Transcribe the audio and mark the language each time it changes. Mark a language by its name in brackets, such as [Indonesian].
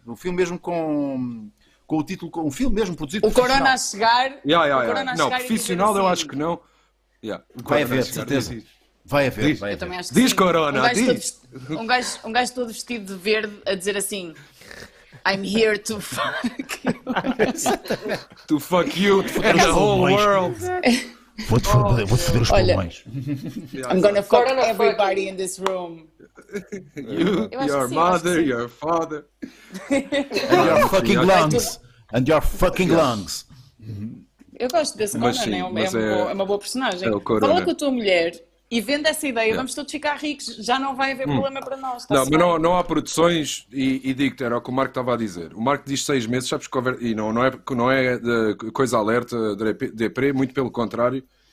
[Portuguese] Um filme mesmo com o título. Um filme mesmo produzido por corona. O corona a chegar. Não, profissional eu acho que não. Vai haver, de certeza. Vai haver. Eu também acho que sim. Diz corona, diz. Um gajo todo vestido de verde a dizer assim. [English] I'm here to fuck you. To fuck you and the whole world. [Portuguese] Vou-te foder os pulmões. [English] I'm gonna fuck everybody in this room. You, your mother, your father. And your fucking lungs. And your fucking lungs. [Portuguese] Eu gosto desse Conan, é uma boa personagem. Fala com a tua mulher. E vendo essa ideia, vamos todos ficar ricos. Já não vai haver problema para nós. Não, mas não há produções. E digo-te, era o que o Marco estava a dizer. O Marco diz 6 meses, sabes que conversa. E não é de coisa alerta, deprê, muito pelo contrário.